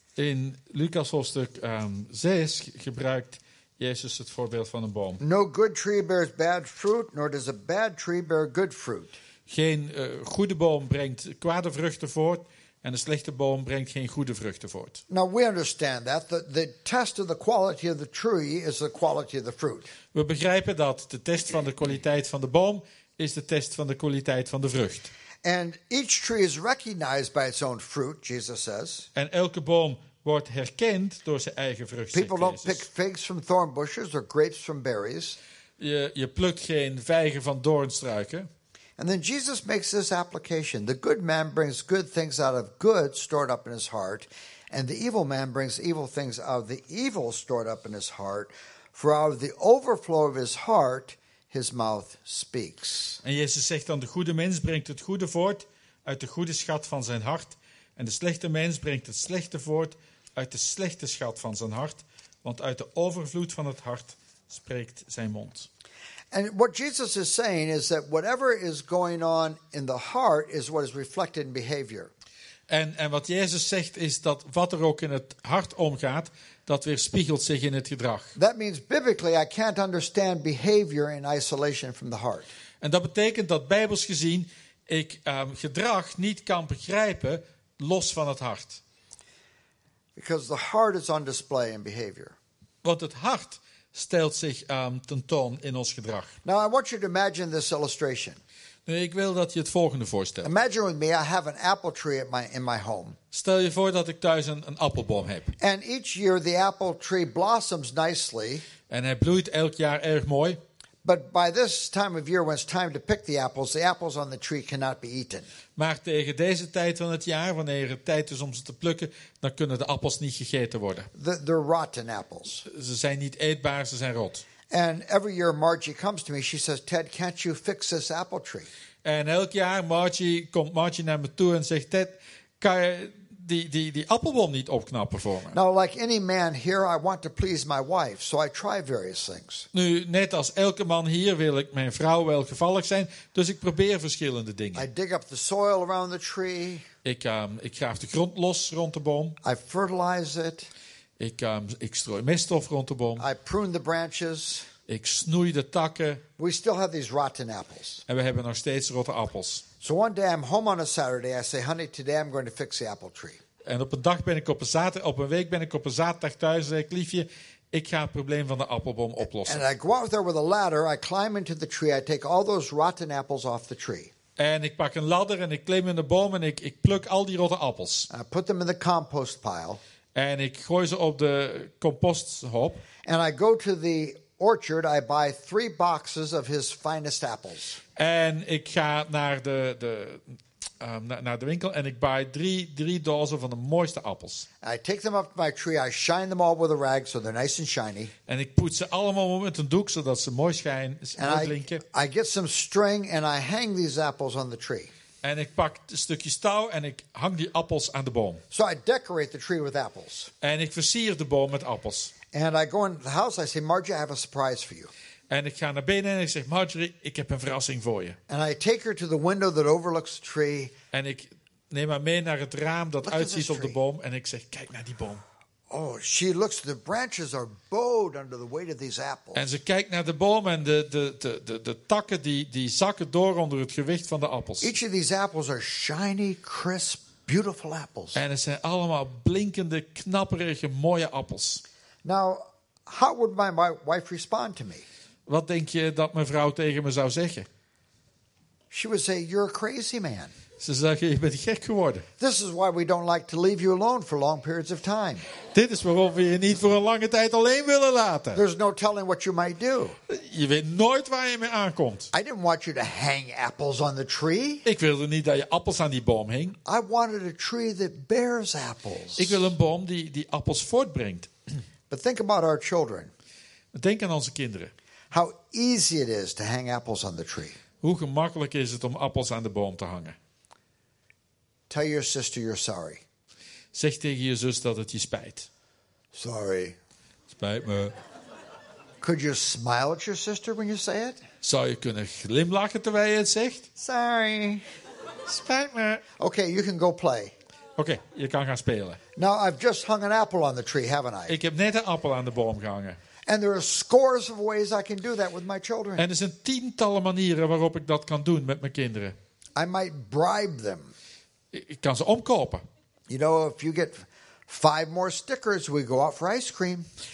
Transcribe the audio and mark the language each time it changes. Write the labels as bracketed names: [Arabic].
[Dutch] In Lucas hoofdstuk 6 gebruikt Jezus het voorbeeld van een boom. [English] No good tree bears bad fruit, nor does a bad tree bear good fruit. [Dutch] Geen goede boom brengt kwade vruchten voort, en een slechte boom brengt geen goede vruchten voort. [English] Now we understand that the test of the quality of the tree is the quality of the fruit. [Dutch] We begrijpen dat de test van de kwaliteit van de boom is de test van de kwaliteit van de vrucht. [English] And each tree is recognized by its own fruit, Jesus says. [Dutch] En elke boom wordt herkend door zijn eigen vrucht. [English] People don't pick figs from thorn bushes or grapes from berries. [Dutch] Je plukt geen vijgen van doornstruiken. [English] And then Jesus makes this application. The good man brings good things out of good stored up in his heart, and the evil man brings evil things out of the evil stored up in his heart, for out of the overflow of his heart his mouth speaks. [Dutch] En Jezus zegt dan, de goede mens brengt het goede voort uit de goede schat van zijn hart. En de slechte mens brengt het slechte voort uit de slechte schat van zijn hart. Want uit de overvloed van het hart spreekt zijn mond. [English] And what Jesus is saying is that whatever is going on in the heart is what is reflected in behavior. [Dutch] En wat Jezus zegt is dat wat er ook in het hart omgaat, dat weerspiegelt zich in het gedrag. [English] That means biblically I can't understand behavior in isolation from the heart. [Dutch] En dat betekent dat bijbels gezien ik gedrag niet kan begrijpen los van het hart. [English] Because the heart is on display in behavior. [Dutch] Want het hart stelt zich tentoon in ons gedrag. [English] Now I want you to imagine this illustration. [Dutch] Nee, ik wil dat je het volgende voorstelt. [English] Imagine with me, I have an apple tree at in my home. [Dutch] Stel je voor dat ik thuis een appelboom heb. [English] And each year the apple tree blossoms nicely. [Dutch] En hij bloeit elk jaar erg mooi. [English] But by this time of year, when it's time to pick the apples on the tree cannot be eaten. [Dutch] Maar tegen deze tijd van het jaar, wanneer het tijd is om ze te plukken, dan kunnen de appels niet gegeten worden. [English] They're rotten apples. [Dutch] Ze zijn niet eetbaar, ze zijn rot. [English] And every year Margie comes to me, she says, Ted, can't you fix this apple tree? [Dutch] En elk jaar komt Margie naar me toe en zegt, Ted, kan je die appelboom niet opknappen voor me? [English] Now, like any man here, I want to please my wife, so I try various things. [Dutch] Nu, net als elke man hier, wil ik mijn vrouw wel gevallig zijn, dus ik probeer verschillende dingen. [English] I dig up the soil around the tree. [Dutch] Ik graaf de grond los rond de boom. [English] I fertilize it. [Dutch] Ik strooi meststof rond de boom. [English] I prune the branches. [Dutch] Ik snoei de takken. [English] We still have these rotten apples. [Dutch] En we hebben nog steeds rotte appels. [English] So one day I'm home on a Saturday. I say, honey, today I'm going to fix the apple tree. [Dutch] En op een dag ben ik op een week ben ik op een zaterdag thuis. Zeg ik, liefje, ik ga het probleem van de appelboom oplossen. [English] And I go out there with a ladder. I climb into the tree. I take all those rotten apples off the tree. [Dutch] En ik pak een ladder en ik klim in de boom en ik pluk al die rotte appels. [English] I put them in the compost pile. [Dutch] En ik gooi ze op de composthoop. [English] And I go to the orchard. I buy 3 boxes of his finest apples. [Dutch] En ik ga naar de winkel en ik [English] buy [Dutch] 3 dozen van de mooiste appels. [English] I take them up to my tree. I shine them all with a rag so they're nice and shiny. [Dutch] En ik poets ze allemaal met een doek zodat ze mooi schijnen en blinken. [English] I get some string and I hang these apples on the tree. [Dutch] En ik pak stukjes touw en ik hang die appels aan de boom. [English] So I decorate the tree with apples. [Dutch] En ik versier de boom met appels. [English] And I go into the house, I say, Marjorie, I have a surprise for you. [Dutch] En ik ga naar binnen en ik zeg, Marjorie, ik heb een verrassing voor je. [English] And I take her to the window that overlooks the tree. [Dutch] En ik neem haar mee naar het raam dat uitziet op de boom. En ik zeg, kijk naar die boom. [English] Oh, she looks. The branches are bowed under the weight of these apples. [Dutch] En ze kijkt naar de boom en de takken die zakken door onder het gewicht van de appels. [English] Each of these apples are shiny, crisp, beautiful apples. [Dutch] En het zijn allemaal blinkende, knapperige, mooie appels. [English] Now, how would my wife respond to me? [Dutch] Wat denk je dat mijn vrouw tegen me zou zeggen? [English] She would say, "You're a crazy man." [Dutch] Ze zeggen, je bent gek geworden. [English] This is why we don't like to leave you alone for long periods of time. [Dutch] Dit is waarom we je niet voor een lange tijd alleen willen laten. [English] There's no telling what you might do. [Dutch] Je weet nooit waar je mee aankomt. [English] I didn't want you to hang apples on the tree. [Dutch] Ik wilde niet dat je appels aan die boom hing. [English] I wanted a tree that bears apples. [Dutch] Ik wil een boom die appels voortbrengt. [English] But think about our children. [Dutch] Denk aan onze kinderen. [English] How easy it is to hang apples on the tree. [Dutch] Hoe gemakkelijk is het om appels aan de boom te hangen? [English] Tell your sister you're sorry. [Dutch] Zeg tegen je zus dat het je spijt. [English] Sorry. [Dutch] Spijt me. [English] Could you smile at your sister when you say it? [Dutch] Zou je kunnen glimlachen terwijl je het zegt? [English] Sorry. [Dutch] Spijt me. [English] Okay, you can go play. [Dutch] Okay, je kan gaan spelen. [English] Now I've just hung an apple on the tree, haven't I? [Dutch] Ik heb net een appel aan de boom gehangen. [English] And there are scores of ways I can do that with my children. [Dutch] En er zijn tientallen manieren waarop ik dat kan doen met mijn kinderen. [English] I might bribe them. [Dutch] Ik kan ze omkopen. [English] You know, if you get 5 more stickers, we go out for ice cream.